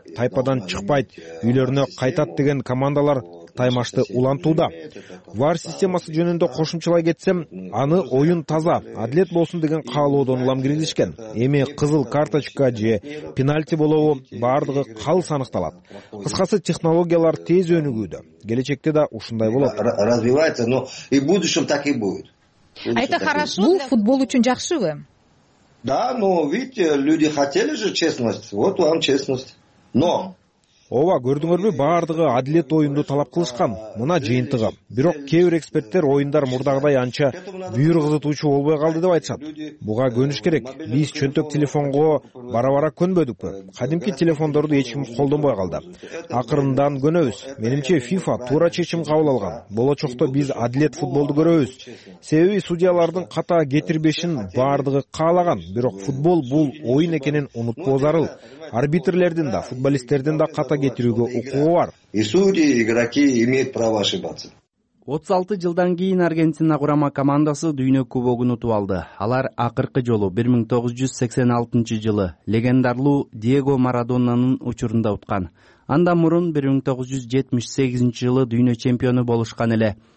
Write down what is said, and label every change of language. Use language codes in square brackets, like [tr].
[ky] Тайпадан чыкпайт, үйлөрүнө кайтат деген командалар таймашты улантууда. VAR системасы жөнүндө кошумчалай кетсем, аны оюн таза, адилет болсун деген каалоодон улам киргизишкен. Эми кызыл карточка же пенальти болобу бардыгы калыс аныкталат. Кыскасы технологиялар тез өнүгүүдө. Келечекте да ушундай болот. [ru] Развивается, но и в будущем так и будет. А это хорошо? [ky] Бул футбол үчүн жакшыбы? [ru] Да, но видите, люди хотели же честность. Вот вам честность. Но [ky] ооба, көрдүңөрбү, баардыгы адилет оюнду талап кылышкан. Мына жыйынтыгы. Бирок кээ бир эксперттер оюндар мурдагыдай анча бүйүр кызытуучу болбой калды деп айтышат. Буга көнүш керек. Биз чөнтөк телефонго бара-бара көнбөдүкпү? Кадимки телефондорду эч ким колдонбой калды. Акырындан көнөбүз. Менимче FIFA туура чечим кабыл алган. Болочокто биз адилет футболду көрөбүз. Себеби судьялардын катаа кетирбешин баардыгы каалаган. Бирок футбол бул оюн экенин унутпоо зарыл. Арбитрлердин да, футболисттердин да ката кетирүүгө укугу бар. [ru] И судьи, игроки имеют право ошибаться. [ky] 36 жылдан кийин Аргентина курама командасы дүйнө кубогун утуп алды. Алар акыркы жолу 1986 жылы легендарлуу Диего Марадонанын учурунда уткан. Андан мурун 1978 жылы дүйнө чемпиону болушкан эле.